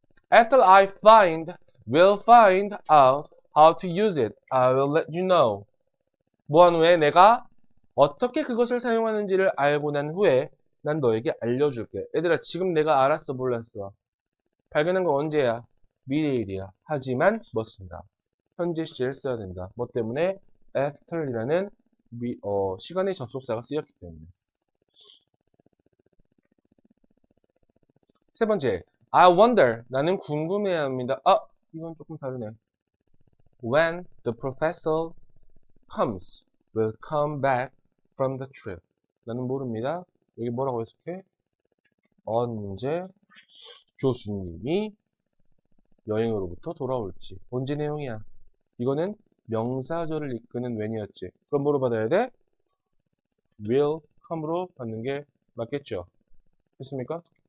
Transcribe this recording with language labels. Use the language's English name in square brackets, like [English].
[English] After I find, will find out how to use it, I will let you know. [Korean] 무한 후에 내가 어떻게 그것을 사용하는지를 알고 난 후에 난 너에게 알려줄게. 얘들아, 지금 내가 알았어, 몰랐어. 발견한 거 언제야? 미래일이야. 하지만 멋진다. 현재 시제를 써야 된다. 뭐 때문에? After이라는 시간의 접속사가 쓰였기 때문에. 세 번째, [English] I wonder, [Korean] 나는 궁금해합니다. 이건 조금 다르네. [English] When the professor comes, will come back from the trip. [Korean] 나는 모릅니다. 여기 뭐라고 해석해? 언제 교수님이 여행으로부터 돌아올지. 언제 내용이야? 이거는 명사절을 이끄는 when이었지. 그럼 뭐로 받아야 돼? will come으로 받는 게 맞겠죠? 됐습니까?